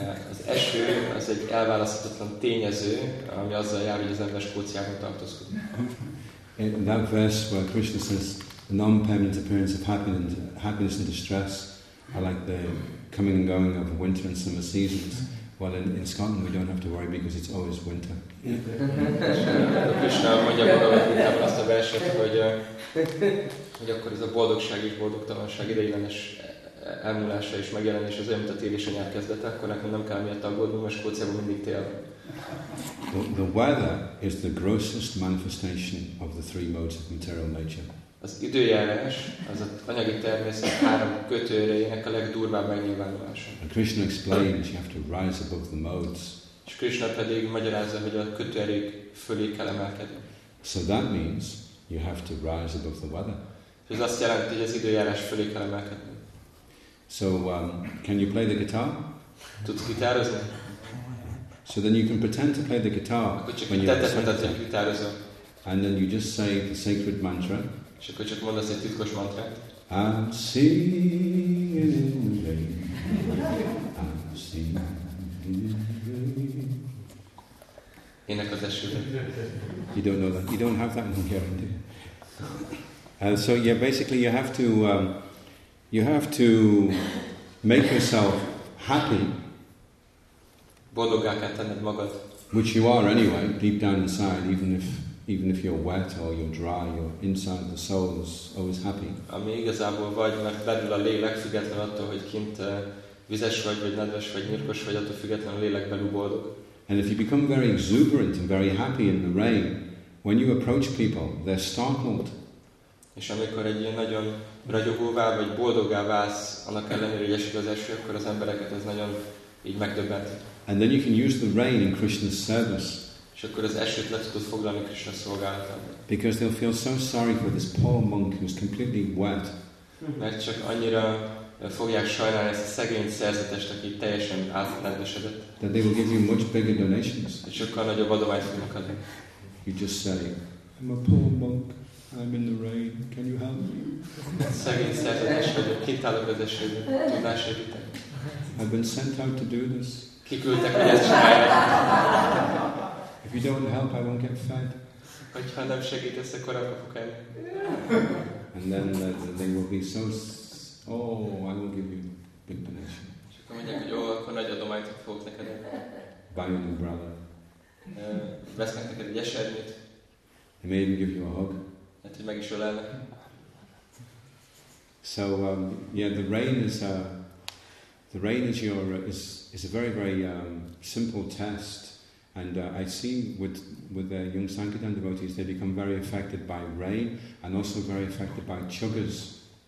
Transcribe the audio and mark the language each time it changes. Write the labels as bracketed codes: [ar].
[hu] Az eső az egy elválaszthatatlan tényező, ami azzal jár, hogy az ember Skóciában tartózkodik. [en] In that verse where Krishna says, the non-permanent appearance of happiness and distress are like the coming and going of winter and summer seasons. Well, in Scotland we don't have to worry because it's always winter. [hu] Krishna mondja Bhagavad-gítában azt a verset, hogy akkor ez a boldogság és boldogtalanság ideiglenes elmúlása és megjelenés az olyan, mint a tél és a nyár kezdete, akkor nekünk nem kell miatt aggódnunk, mert Skóciában mindig tél. [en] The weather is the grossest manifestation of the three modes of material nature. [hu] Az időjárás, az anyagi természet három kötőrejének a legdurvább megnyilvánulása. [en] And Krishna explains you have to rise above the modes. [hu] És Krishna pedig magyarázza, hogy a kötőerők fölé kell emelkedni. [en] So that means you have to rise above the weather. [hu] Ez azt jelenti, hogy az időjárás fölé kell emelkedni. [en] So, can you play the guitar? [hu] Tudsz gitározni? [en] So then you can pretend to play the guitar. [hu] Akkor csak tetted, hogy gitározol. [en] And then you just say the sacred mantra. [hu] És akkor csak mondasz egy titkos mantrát. [en] I'm singing in rain. I'm singing in rain. [hu] Ének az esőben. [en] You don't know that. You don't have that in here, do you? So yeah, basically you have to make yourself happy. [hu] Boldoggá kell tenned magad. [en] Which you are anyway, deep down inside, even if you're wet or you're dry, your inside the soul is always happy. [hu] Ami igazából vagy, mert belül a lélek, független attól, hogy kint vizes vagy, vagy nedves vagy, nyírkos vagy, attól független a lélek belül boldog. [en] And if you become very exuberant and very happy in the rain, when you approach people, they're startled. [hu] És amikor egy ilyen nagyon ragyogóvá vagy boldoggá válsz, annak ellenére, hogy esik az eső, akkor az embereket ez nagyon így megdöbbent. [en] And then you can use the rain in Krishna's service. [hu] És akkor az esőt le tudod foglalni Krishna szolgálatában. [en] Because they'll feel so sorry for this poor monk who's completely wet. [hu] Mert csak annyira fogják sajnálni ezt a szegény szerzetest, aki teljesen átnedvesedett. [en] That they will give you much bigger donations. [hu] És sokkal nagyobb adományt fognak adni. [en] You just say, I'm a poor monk, I'm in the rain, can you help me? [hu] Szegény szerzetes vagyok, kint állok az esőben, tudnál segíteni? [en] I've been sent out to do this. [hu] Kiküldtek, hogy ezt csináljam. [en] If you don't help, I won't get fed. [hu] Hogyha nem segítesz, akkor nem kapok el. [en] And then they will be so. Oh, I will give you big donation. [hu] És akkor mondják, hogy jó, akkor nagy adományt fogok neked. [en] Buy an umbrella. [hu] Vesznek neked egy esernyőt. [en] I may even give you a hug. So yeah, the rain is a very very simple test, and I see with the young Sankirtan devotees, they become very affected by rain and also very affected by chuggas.